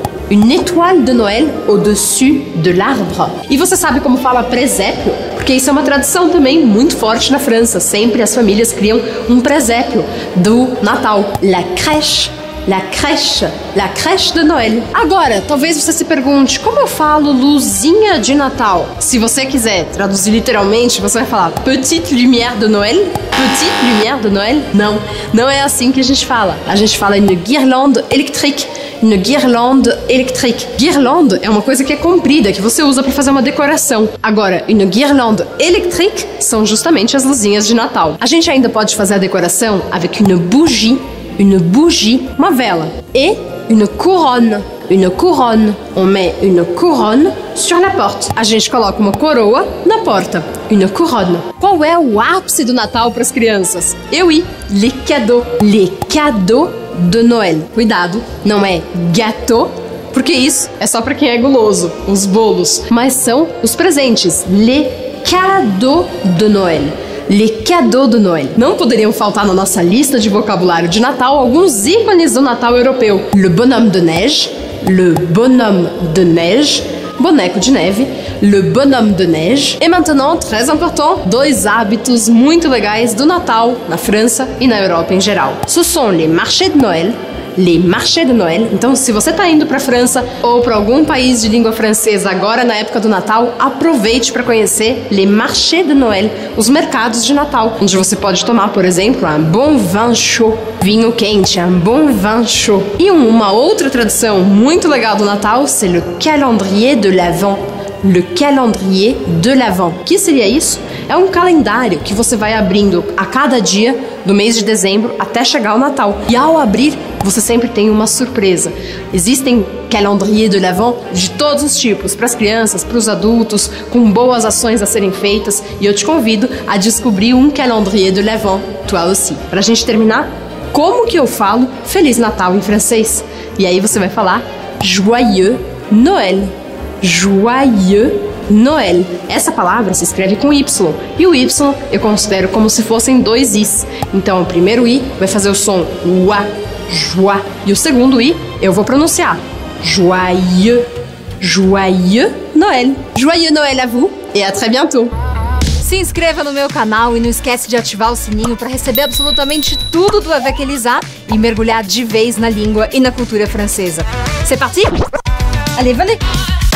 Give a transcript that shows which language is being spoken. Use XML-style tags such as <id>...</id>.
<fr>Une étoile de Noël au-dessus de l'arbre.</fr> <pt>E você sabe como fala presépio? Porque isso é uma tradição também muito forte na França. Sempre as famílias criam um presépio do Natal.</pt> <fr>La crèche. La crèche. La crèche de Noël.</fr> <pt>Agora, talvez você se pergunte, como eu falo luzinha de Natal? Se você quiser traduzir literalmente, você vai falar</pt> <fr>petite lumière de Noël? Petite lumière de Noël?</fr> <pt>Não, não é assim que a gente fala. A gente fala</pt> <fr>une guirlande électrique. Une guirlande électrique.</fr> <pt>Guirlande é uma coisa que é comprida, que você usa para fazer uma decoração. Agora,</pt> <fr>une guirlande électrique</fr> <pt>são justamente as luzinhas de Natal. A gente ainda pode fazer a decoração</pt> <fr>avec une bougie. Une bougie,</fr> <pt>uma vela.</pt> <fr>E une couronne. Une couronne. On met une couronne sur la porte.</fr> <pt>A gente coloca uma coroa na porta.</pt> <fr>Une couronne.</fr> <pt>Qual é o ápice do Natal para as crianças? Eu e</pt> <fr>les cadeaux. Les cadeaux de Noël.</fr> <pt>Cuidado, não é gâteau, porque isso é só para quem é guloso, os bolos. Mas são os presentes.</pt> <fr>Les cadeaux de Noël. Les cadeaux de Noël.</fr> <pt>Não poderiam faltar na nossa lista de vocabulário de Natal alguns ícones do Natal europeu.</pt> <fr>Le bonhomme de neige. Le bonhomme de neige.</fr> <pt>Boneco de neve.</pt> <fr>Le bonhomme de neige. Et maintenant, très important,</fr> <pt>dois hábitos muito legais do Natal na França e na Europa em geral.</pt> <fr>Ce sont les marchés de Noël. Les marchés de Noël.</fr> <pt>Então, se você está indo para a França ou para algum país de língua francesa agora na época do Natal, aproveite para conhecer</pt> <fr>les marchés de Noël,</fr> <pt>os mercados de Natal, onde você pode tomar, por exemplo,</pt> <fr>un bon vin chaud,</fr> <pt>vinho quente, un bon vin chaud. E uma outra tradição muito legal do Natal,</pt> <fr>c'est le calendrier de l'Avent. Le calendrier de l'Avent.</fr> <pt>Que seria isso? É um calendário que você vai abrindo a cada dia do mês de dezembro até chegar ao Natal. E ao abrir, você sempre tem uma surpresa. Existem</pt> <fr>calendrier de l'Avent</fr> <pt>de todos os tipos, para as crianças, para os adultos, com boas ações a serem feitas. E eu te convido a descobrir um</pt> <fr>calendrier de l'Avent, toi aussi.</fr> <pt>Para a gente terminar, como que eu falo Feliz Natal em francês? E aí você vai falar</pt> <fr>Joyeux Noël. Joyeux Noël.</fr> <pt>Essa palavra se escreve com Y. E o Y eu considero como se fossem dois Is. Então o primeiro I vai fazer o som wa, joa. E o segundo I eu vou pronunciar.</pt> <fr>Joyeux. Joyeux Noël. Joyeux Noël à vous et à très bientôt.</fr> <pt>Se inscreva no meu canal e não esquece de ativar o sininho para receber absolutamente tudo do Avec Elisa e mergulhar de vez na língua e na cultura francesa.</pt> <fr>C'est parti? Allez, venez!</fr>